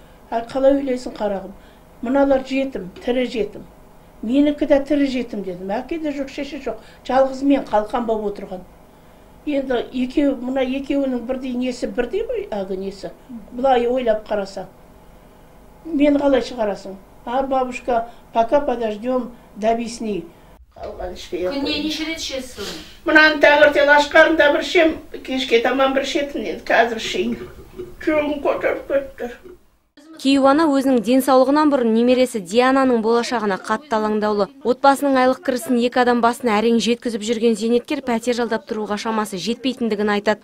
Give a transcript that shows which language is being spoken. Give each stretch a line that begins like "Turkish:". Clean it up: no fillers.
Kazakh: Ал қалай ойлайсың, қарағым? Мыналар жетім, тірі жетім. Менікі де тірі жетім, дедім. Әке де жоқ, шеше жоқ. Жалғыз мен қалқан боп отырған. Енді екеу, мына екеуінің бірдей несі бірдей ғой әгі несі. Былай ойлап қараса, мен қалай шығарасың?
Russian: А, бабушка, пока подождем до весны.
Kazakh: Күніне неше рет ішесің? Мынаны таңертең аш қарында бір ішем, кешке таман бір ішетін енді қазір ішейін. Жүрегім көтеріліп кетті. Кейуана өзінің денсаулығынан бұрын немересі Диананың болашағына қатты алаңдаулы. Отбасының айлық кірісін екі адам басына әрең жеткізіп жүрген зейнеткер пәтер жалдап тұруға шамасы жетпейтіндігін айтады.